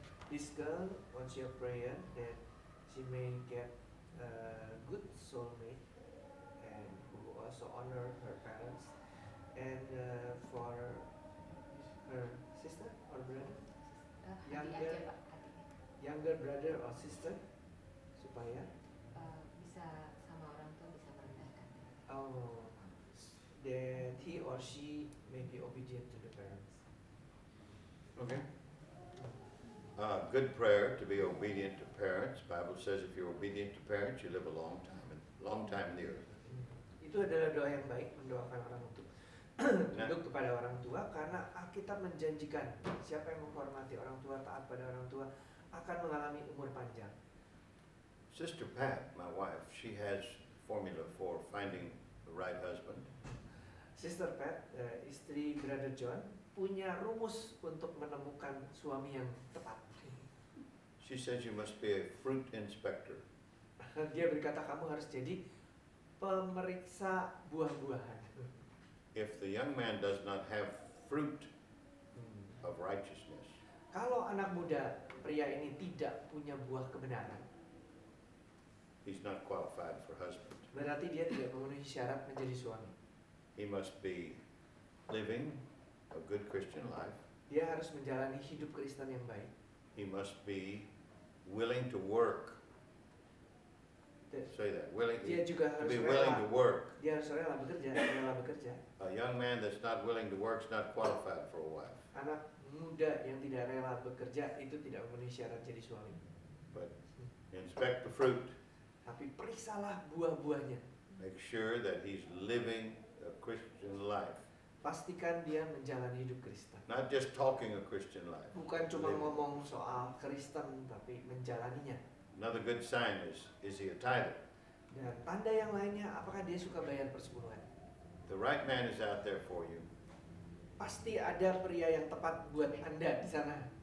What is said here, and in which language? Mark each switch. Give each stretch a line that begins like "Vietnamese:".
English: This girl wants your prayer that she may get a good soulmate and who also honor her parents and for her sister or brother, younger brother or sister, supaya
Indonesian: bisa sama orang tua, bisa merendahkan.
English: Oh, that he or she may be obedient to the parents. Okay. Good prayer to be obedient to parents. Bible says if you're obedient to parents, you live a long time, and long time in the earth.
Indonesian: Itu adalah doa yang baik, mendoakan orang untuk tunduk kepada orang tua, karena Alkitab menjanjikan siapa yang menghormati orang tua, taat pada orang tua, akan mengalami umur panjang.
English: Sister Pat, my wife, she has formula for finding the right husband.
Indonesian: Sister Pat, istri Brother John, punya rumus untuk menemukan suami yang tepat.
English: She says you must be a fruit inspector.
Indonesian: Dia berkata kamu harus jadi pemeriksa buah-buahan.
English: If the young man does not have fruit of righteousness,
Indonesian: kalau anak muda pria ini tidak punya buah kebenaran,
English: he's not qualified for husband.
Indonesian: Berarti dia tidak memenuhi syarat menjadi suami.
English: He must be living a good Christian life.
Indonesian: Dia harus menjalani hidup Kristen yang baik.
English: He must be willing to work. Say that. Willing.
Indonesian: Dia juga harus
English: to be willing to work.
Indonesian: Dia harus rela bekerja. Rela bekerja.
English: A young man that's not willing to work is not qualified for a wife.
Indonesian: Anak muda yang tidak rela bekerja itu tidak memenuhi syarat jadi suami.
English: But inspect the fruit.
Indonesian: Tapi periksalah buah-buahnya.
English: Make sure that he's living a Christian life.
Indonesian: Pastikan dia menjalani hidup Kristen.
English: Not just talking a Christian life.
Indonesian: Bukan cuma ngomong soal Kristen, tapi menjalaninya.
English: Another good sign is he a tither?
Indonesian: Dan tanda yang lainnya, apakah dia suka bayar persepuluhan?
English: The right man is out there for you.
Indonesian: Pasti ada pria yang tepat buat Anda di sana.